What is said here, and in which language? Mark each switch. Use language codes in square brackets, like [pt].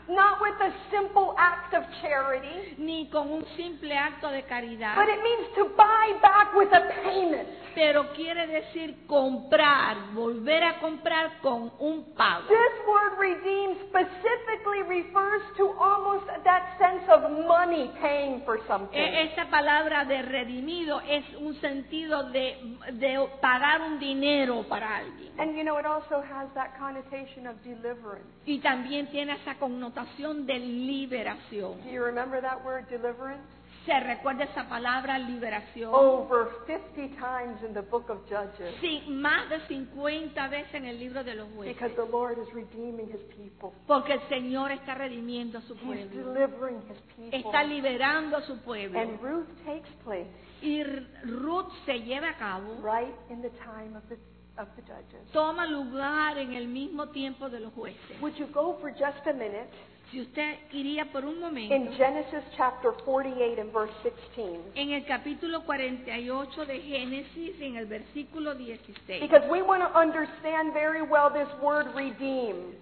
[en] Not with a simple act of charity. [es] Ni con un simple acto de caridad. [en] But it means to buy back with a payment. [es] Pero quiere decir comprar, volver a comprar con un pago. [en] This word redeem specifically refers to almost that sense of money paying for something. [es] Esta palabra de redimido es un sentido de pagar un dinero para alguien. [en] And you know, it also has that connotation of deliverance. [es] Y también tiene esa connotación de liberación. [en] Do you remember that word, deliverance? [es] ¿Se recuerda esa palabra, liberación? [en] Over 50 times in the book of Judges. [es] Sí, más de 50 veces en el libro de los jueces. [en] Because the Lord is redeeming his people. [es] Porque el Señor está redimiendo a su pueblo. [en] He's delivering his people. [es] Está liberando a su pueblo. [en] And Ruth takes place. [es] Y Ruth se lleva a cabo. [en] Right in the time of the judges. [es] Toma lugar en el mismo tiempo de los jueces. [en] Would you go for just a minute? [es] Si usted iría por un momento. [en] In Genesis chapter 48 and verse 16. [es] En el capítulo 48 de Génesis, en el versículo 16. [en] Because we want to understand very well this word redeem.